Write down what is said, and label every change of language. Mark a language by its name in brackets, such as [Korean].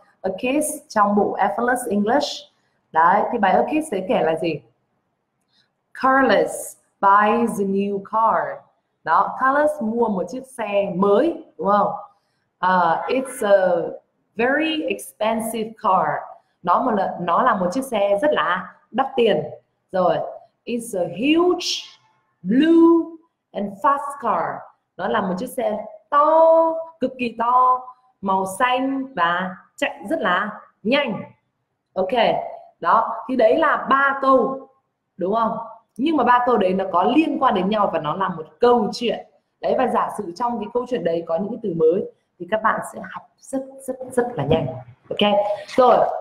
[Vietnamese] A Kiss trong bộ Effortless English. Đấy, thì bài A Kiss sẽ kể là gì? [English] Carlos buys a new car. [Vietnamese] Đó, Carlos mua một chiếc xe mới, đúng không? [English] It's a very expensive car. [Vietnamese] Nó là một chiếc xe rất là đắt tiền. [English] Rồi, it's a huge blue and fast car. [Vietnamese] Nó là một chiếc xe to, cực kỳ to, màu xanh và chạy rất là nhanh. Ok, đó, thì đấy là ba câu, đúng không? Nhưng mà ba câu đấy nó có liên quan đến nhau và nó là một câu chuyện. Đấy, và giả sử trong cái câu chuyện đấy có những cái từ mới thì các bạn sẽ học rất rất rất là nhanh. Ok, rồi.